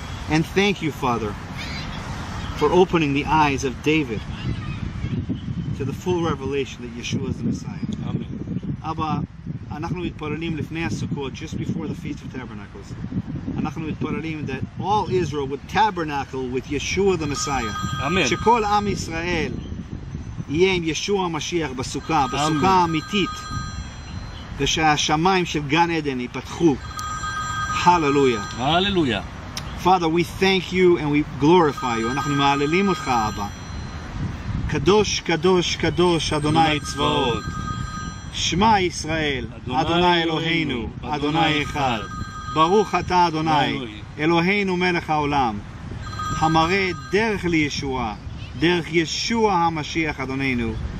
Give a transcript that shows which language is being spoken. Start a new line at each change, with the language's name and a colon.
English: And thank you, Father, for opening the eyes of David to the full revelation that Yeshua is the Messiah. Amen. Abba,
Hebrew: אנחנו מתפללים לפני הסוכות,
English: just before the Feast of Tabernacles.
Hebrew: אנחנו מתפללים
English: that all Israel would tabernacle with Yeshua the Messiah. Amen.
Hebrew: שכל עם ישראל יהיה עם ישוע המשיח בסוכה, בסוכה האמיתית, ושהשמיים של גן עדן ייפתחו. Hallelujah. Hallelujah.
English: Father, we thank you and we glorify you.
Hebrew: אנחנו מעללים אותך, אבא. קדוש, קדוש, קדוש, אדוני צבאות. שמע ישראל, אדוני אלוהינו, אדוני אחד. ברוך אתה, אדוני, אלוהינו מלך העולם. המראה דרך לישוע, דרך ישוע המשיח, אדוננו.